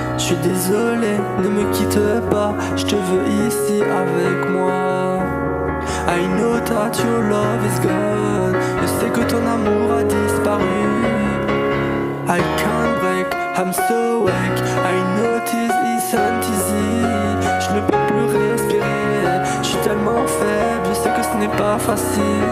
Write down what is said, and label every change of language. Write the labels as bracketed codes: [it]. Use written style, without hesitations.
[fr] Je suis désolé, ne me quitte pas. Je te veux ici avec moi. [en] I know that your love is gone. [fr] Je sais que ton amour a disparu. [en] I can't break, I'm so weak. I know this isn't easy. [fr] Je ne peux plus respirer. Je suis tellement faible. Je sais que ce n'est pas facile.